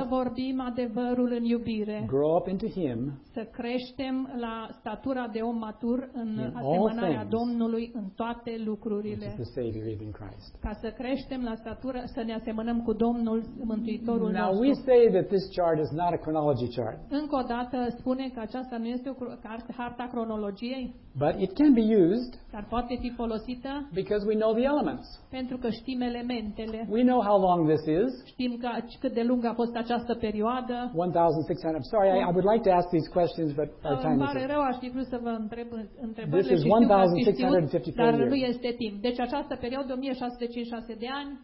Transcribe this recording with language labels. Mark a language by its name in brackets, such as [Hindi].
[Romanian] să vorbim adevărul în iubire, [English] grow up into him, [Romanian] să creștem la statura de om matur în asemănarea Domnului în toate lucrurile, [English] which is the Savior is in Christ. [Romanian] Ca să creștem la statura, să ne asemănăm cu Domnul Mântuitorul [English] Now, [Romanian] nostru. [English] Now we say that this chart is not a chronology chart. [Romanian] Încă o dată spune că aceasta nu este o harta cronologiei, [English] but it can be used, [Romanian] dar poate fi folosită, [English] because we know the elements. [Romanian] Pentru că știm elementele. [English] We know how long this is. Știm că cât de lungă a fost această perioadă. 1600. I'm sorry, I would like to ask these questions, but our time is up. [Romanian] Îmi pare rău, aș fi vrut să vă întreb întrebările. [English] This is 1654 years. [Romanian] Dar nu este timp. Deci această perioadă, 1656 de ani.